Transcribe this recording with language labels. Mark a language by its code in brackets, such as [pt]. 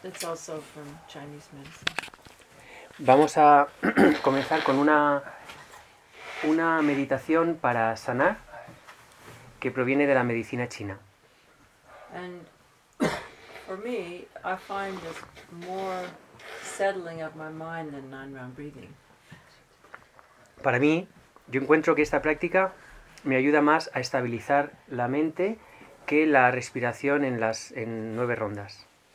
[en] It's also from Chinese medicine. [es] Vamos a comenzar con una meditación para sanar que proviene de la medicina china. [en] And for me, I find this more settling of my mind than nine round breathing. [es] Para mí, yo encuentro que esta práctica me ayuda más a estabilizar la mente que la respiración en nueve rondas.